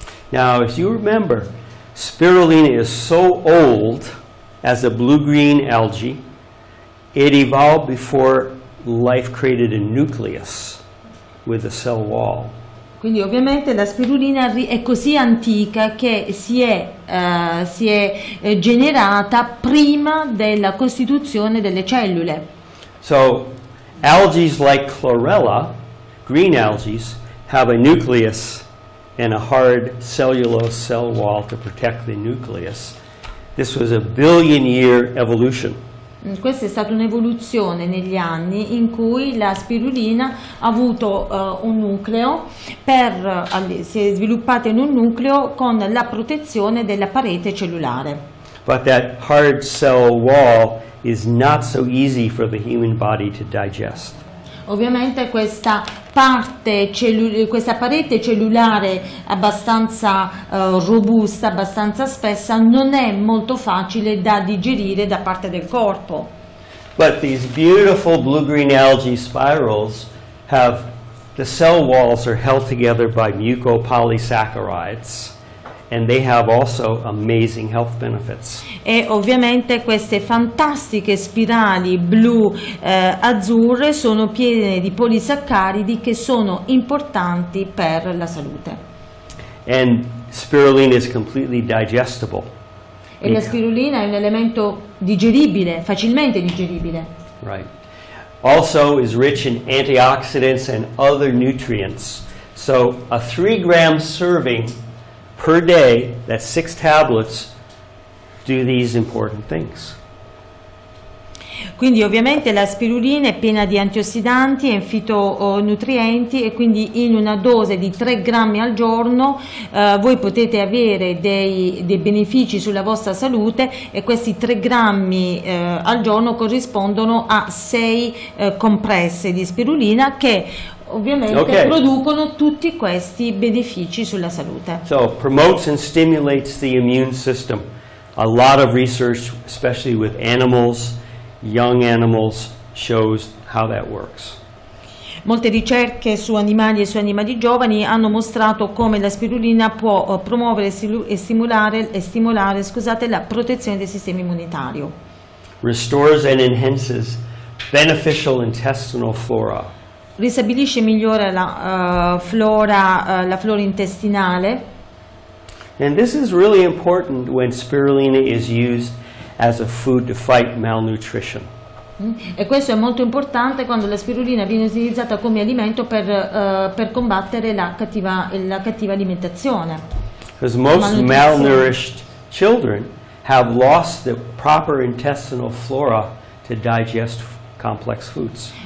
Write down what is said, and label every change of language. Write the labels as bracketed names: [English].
[English] Now, if you remember, spirulina is so old as a blue-green algae, it evolved before life created a nucleus with a cell wall. [Italian] Quindi ovviamente la spirulina è così antica che si è generata prima della costituzione delle cellule. [English] So, algaes like chlorella, green algaes, have a nucleus and a hard cellulose cell wall to protect the nucleus. This was a billion year evolution. [Italian] Questa è stata un'evoluzione negli anni in cui la spirulina ha avuto un nucleo, si è sviluppata in un nucleo con la protezione della parete cellulare. [English] But that hard cell wall is not so easy for the human body to digest. [Italian] Ovviamente questa parete cellulare abbastanza robusta, abbastanza spessa, non è molto facile da digerire da parte del corpo. [English] But these beautiful blue-green algae spirals have the cell walls are held together by mucopolysaccharides. And they have also amazing health benefits. [Italian] E ovviamente queste fantastiche spirali blu azzurre sono piene di polisaccaridi che sono importanti per la salute. [English] And spirulina is completely digestible. [Italian] E la spirulina è un elemento digeribile, facilmente digeribile. [English] Right. Also is rich in antioxidants and other nutrients. So a 3-gram serving per day, that 6 tablets do these important things. [Italian] Quindi ovviamente la spirulina è piena di antiossidanti e fitonutrienti e quindi in una dose di 3 grammi al giorno voi potete avere dei benefici sulla vostra salute e questi 3 grammi al giorno corrispondono a 6 compresse di spirulina che ovviamente okay. Producono tutti questi benefici sulla salute. [English] So promotes and stimulates the immune system. A lot of research, especially with animals, young animals, shows how that works. [Italian] Molte ricerche su animali e su animali giovani hanno mostrato come la spirulina può promuovere e stimolare la protezione del sistema immunitario. [English] Restores and enhances beneficial intestinal flora. [Italian] Ristabilisce e migliora la flora intestinale. [English] And this is really important when spirulina is used as a food to fight malnutrition. [Italian] E questo è molto importante quando la spirulina viene utilizzata come alimento per combattere la cattiva alimentazione. [English] Because most malnourished children have lost the proper intestinal flora to digest complex foods.